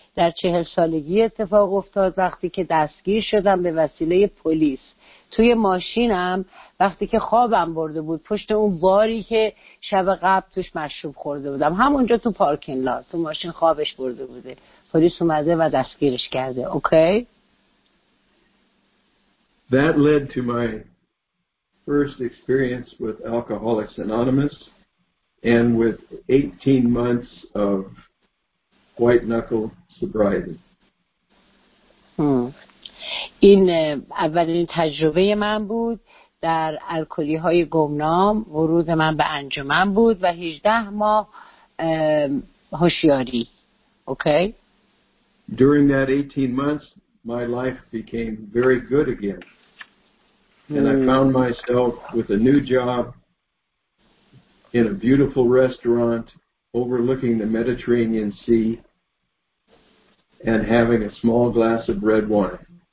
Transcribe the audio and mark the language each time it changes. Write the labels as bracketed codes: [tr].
[fa] در 40 سالگی اتفاق افتاد، وقتی که دستگیر شدم به وسیله پلیس. توی ماشینم وقتی که خوابم برده بود پشت اون باری که شب قبل توش مشروب خورده بودم، همونجا تو پارکینگ لات تو ماشین خوابش برده بوده، پلیس اومده و دستگیرش کرده. اوکی؟ [en] That led to my first experience with Alcoholics Anonymous and with 18 months of white knuckle sobriety. [fa] این اولین تجربه من بود در الکلی های گمنام. ورود من به انجمن بود و 18 ماه هوشیاری. [en] Okay? During that 18 months my life became very good again. And I found myself with a new job in a beautiful restaurant overlooking the Mediterranean Sea and having a small glass of red wine.